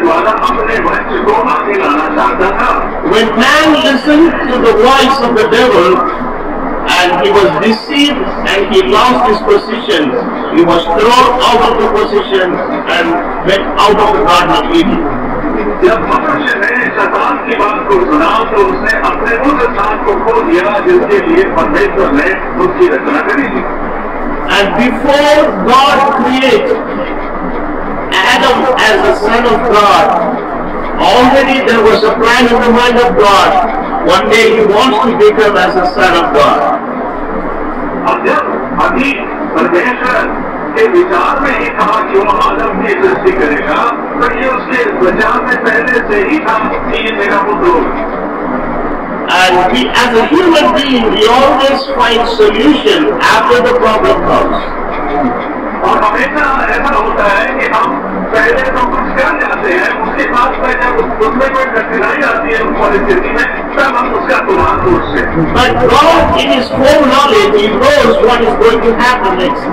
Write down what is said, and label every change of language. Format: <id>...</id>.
<en>When man listened to the voice of the devil and he was deceived and he lost his position, he was thrown out of the position and went out of the Garden of Eden.</en> <hi>जब मनुष्य ने शैतान की बात को सुना तो उसने अपने उस स्थान को खो दिया जिसके लिए परमेश्वर ने उसकी रचना करी थी।</hi> <en>And before God created Adam as the son of God, already there was a plan in the mind of God. One day He wants to become as the son of God.</en> <hi>अब जब अभी परमेश्वर के विचार में ही था कि वो आदम की सृष्टि करेगा, तो ये उसके विचार में पहले से ही था कि ये मेरा पुत्र होगा।</hi> <en>And we, as a human being, we always find solution after the problem comes.</en> <hi>और हमेशा ऐसा होता है कि हम पहले तो कुछ कर जाते हैं, उसके बाद पहले जब उसमें कोई कठिनाई आती है उस परिस्थिति में, तब हम उसका तुरंत दूसरे।</hi> <en>But God, in His foreknowledge, He knows what is going to happen next.</en>